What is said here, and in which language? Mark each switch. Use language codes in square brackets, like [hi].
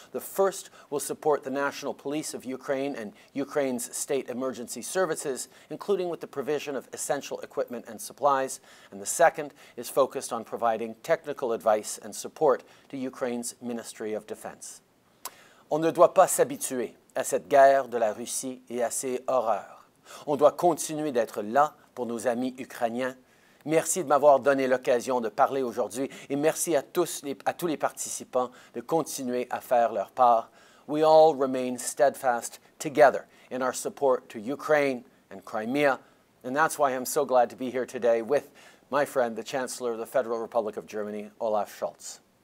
[en] The first will support the National Police of Ukraine and Ukraine's state emergency services, including with the provision of essential equipment and supplies. And the second is focused on providing technical advice and support to Ukraine's Ministry of Defense. [fr] On ne doit pas s'habituer à cette guerre de la Russie et à ses horreurs. On doit continuer d'être là pour nos amis ukrainiens. Merci de m'avoir donné l'occasion de parler aujourd'hui et merci à tous les participants de continuer à faire leur part. [en] We all remain steadfast together in our support to Ukraine and Crimea. And that's why I'm so glad to be here today with my friend, the Chancellor of the Federal Republic of Germany, Olaf Scholz.